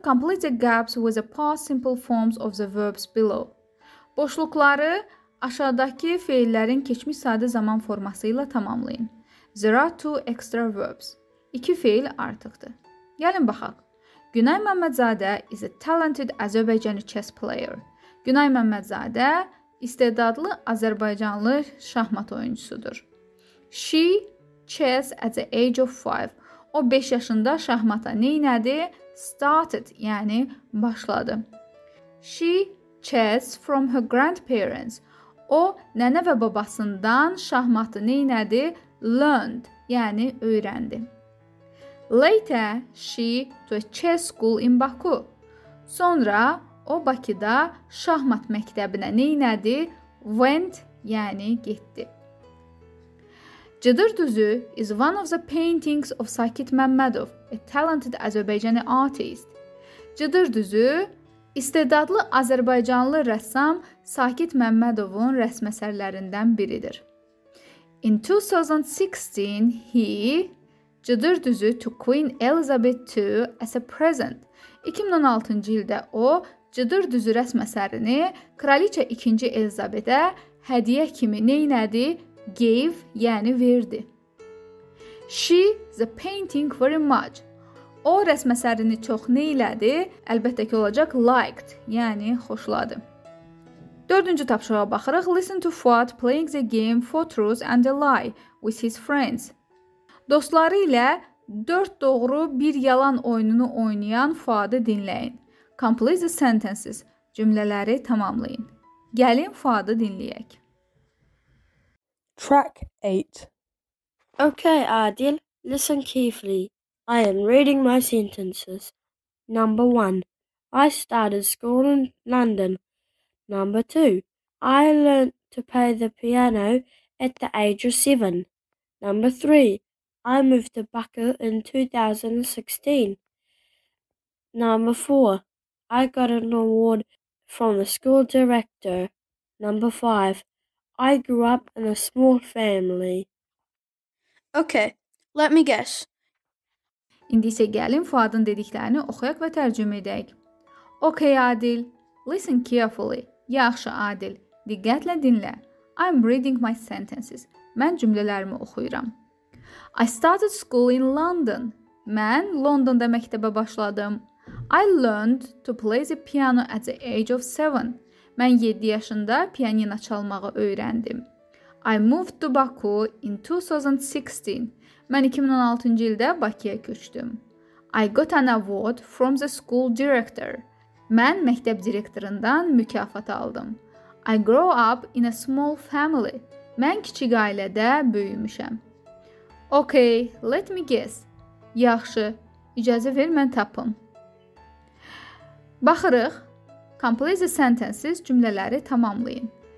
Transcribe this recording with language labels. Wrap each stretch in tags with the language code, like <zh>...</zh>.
<en>Complete the gaps with the past simple forms of the verbs below.</en> <az>Boşluqları aşağıdakı feillərin keçmiş sadə zaman forması ilə tamamlayın.</az> <en>There are two extra verbs.</en> <az>İki feil artıqdır. Gəlin baxaq.</az> <en>Günay Məmmədzadə is a talented Azərbaycanlı chess player.</en> <az>Günay Məmmədzadə istedadlı Azərbaycanlı şahmat oyuncusudur.</az> <en>She chess at the age of 5.</en> <az>O 5 yaşında şahmata neynədi?</az> <en>Started,</en> <az>yəni başladı.</az> <en>She chess from her grandparents.</en> <az>O nənə və babasından şahmatı neynədi?</az> <en>Learned,</en> <az>yəni öyrəndi.</az> <en>Later she to a chess school in Baku.</en> <az>Sonra o Bakıda şahmat məktəbinə neynədi? Went, yəni getdi.</az> <en>Cıdır düzü is one of the paintings of Sakit Məmmədov, a talented Azerbaijani artist.</en> <az>Cıdır düzü İstedadlı Azərbaycanlı rəssam Sakit Məmmədovun rəsm əsərlərindən biridir.</az> <en>In 2016, he cıdır düzü to Queen Elizabeth II as a present.</en> <az>2016-cı ildə o cıdır düzü rəsm əsərini Kraliça 2. Elizabetə hədiyə kimi neynədi?</az> <en>Gave,</en> <az>yəni verdi.</az> <en>She the painting very much.</en> <az>O rəsm əsərini çox neylədi? Əlbəttə ki, olacaq</az> <en>liked,</en> <az>yəni xoşladı. Dördüncü tapşırığa baxırıq.</az> <en>Listen to Fuad playing the game for truth and a lie with his friends.</en> <az>Dostları ilə 4 doğru 1 yalan oyununu oynayan Fuadı dinləyin.</az> <en>Complete the sentences.</en> <az>Cümlələri tamamlayın. Gəlin Fuadı dinləyək.</az> <en>Track 8. Okay, Adil, listen carefully. I am reading my sentences. Number 1. I started school in London. Number 2. I learnt to play the piano at the age of 7. Number 3. I moved to Buckle in 2016. Number 4. I got an award from the school director. Number 5. I grew up in a small family. Okay, let me guess.</en> <az>İndi isə gəlin Fuadın dediklərini oxuyaq və tərcümə edək.</az> <en>Okay, Adil, listen carefully.</en> <az>Yaxşı, Adil. Diqqətlə dinlə.</az> <en>I'm reading my sentences.</en> <az>Mən cümlələrimi oxuyuram.</az> <en>I started school in London.</en> <az>Mən Londonda məktəbə başladım.</az> <en>I learned to play the piano at the age of 7.</en> <az>Mən 7 yaşında piyanino çalmağı öyrəndim.</az> <en>I moved to Baku in 2016.</en> <az>Mən 2016-cı ildə Bakıya köçdüm.</az> <en>I got an award from the school director.</en> <az>Mən məktəb direktorundan mükafat aldım.</az> <en>I grew up in a small family.</en> <az>Mən kiçik ailədə böyümüşəm.</az> <en>Okay, let me guess.</en> <az>Yaxşı, icazə ver, mən tapım. Baxırıq.</az> <en>Complete the sentences,</en> <az>cümlələri tamamlayın.</az>